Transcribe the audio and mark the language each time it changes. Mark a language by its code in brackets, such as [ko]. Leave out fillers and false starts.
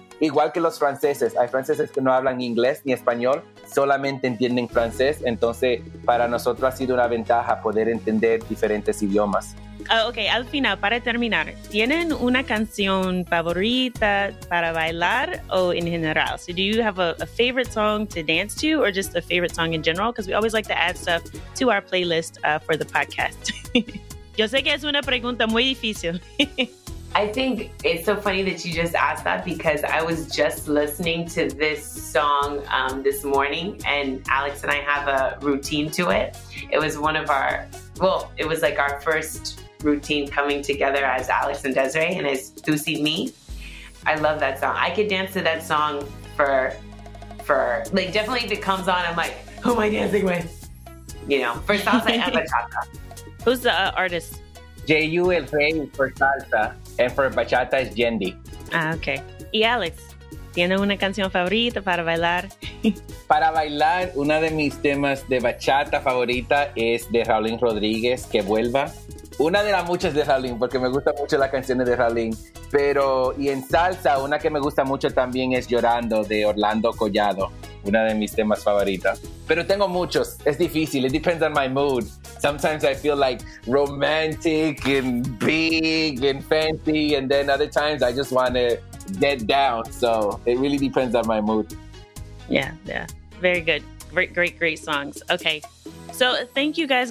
[es] Igual que los franceses, hay franceses que no hablan inglés ni español, solamente entienden francés. Entonces, para nosotros ha sido una ventaja poder entender diferentes idiomas. Ok, al final, para terminar, ¿tienen una canción favorita para bailar o en general? [en] So do you have a favorite song to dance to, or just a favorite song in general? Because we always like to add stuff to our playlist for the podcast. [es] Yo sé que es una pregunta muy difícil. [en] I think it's so funny that you just asked that because I was just listening to this song this morning, and Alex and I have a routine to it. It was one of our, well, it was like our first routine coming together as Alex and Desiree, and it's Tu Si Mi. I love that song. I could dance to that song for like, definitely if it comes on, I'm like, who am I dancing with? You know, for salsa and bachata. Who's the artist? J.U. El Rey for salsa, and for bachata is Yendi. Ah, okay. [es] Y Alex, ¿tienes una canción favorita para bailar? Para bailar, una de mis temas de bachata favorita es de Raulín Rodríguez, Que Vuelva. Una de las muchas de Raulín, porque me gustan mucho las canciones de Raulín. Pero, y en salsa, una que me gusta mucho también es Llorando, de Orlando Collado. Una de mis temas favoritas. Pero tengo muchos. Es difícil. [en] It depends on my mood. Sometimes I feel like romantic and big and fancy. And then other times I just want to get down. So it really depends on my mood. Yeah, yeah. Very good. Great, great, great songs. Okay. So thank you guys.